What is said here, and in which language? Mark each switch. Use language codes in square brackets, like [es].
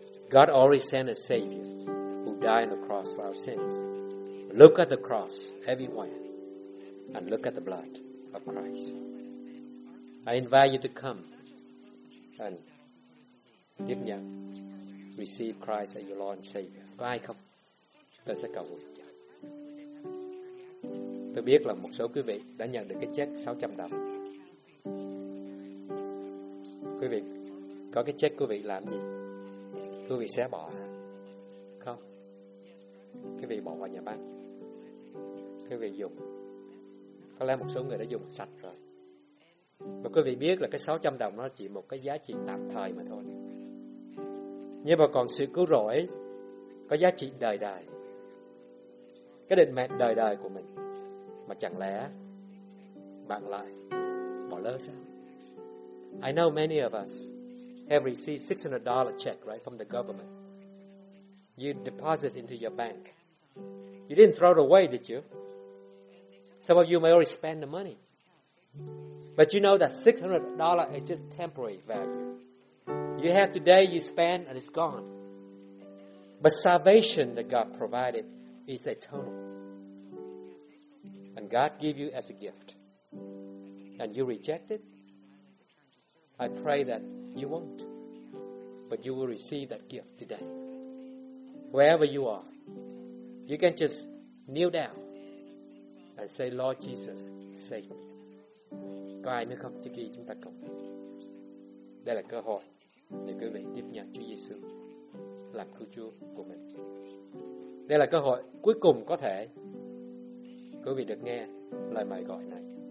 [en] God already sent a Savior who died on the cross for our sins. Look at the cross, everyone, and look at the blood of Christ. I invite you to come and [vi] tiếp nhận, [en] receive Christ as your Lord and Savior. [vi] Có ai không? Tôi sẽ cầu nguyện. Tôi biết là một số quý vị đã nhận được cái check 600 đồng. Quý vị có cái check quý vị làm gì? Quý vị xé bỏ không? Quý vị bỏ vào nhà băng. Quý vị dùng. Có lẽ một số người đã dùng sạch rồi. Và quý vị biết là cái 600 đồng nó chỉ một cái giá trị tạm thời mà thôi. Nhưng mà còn sự cứu rỗi có giá trị đời đời. Cái định mệnh đời đời của mình. Mà chẳng lẽ bạn lại bỏ lỡ sao? [en] I know many of us have received $600 check right from the government. You deposit into your bank. You didn't throw it away, did you? Some of you may already spend the money. But you know that $600 is just temporary value. You have today, you spend, and it's gone. But salvation that God provided is eternal. And God gave you as a gift. And you reject it. I pray that you won't. But you will receive that gift today. Wherever you are, you can just kneel down. And say, Lord Jesus, save me. [vi] Có ai nữa không? Trước khi chúng ta cầu nguyện, đây là cơ hội để quý vị tiếp nhận Chúa Giêsu làm cứu Chúa của mình. Đây là cơ hội cuối cùng có thể quý vị được nghe lời mời gọi này.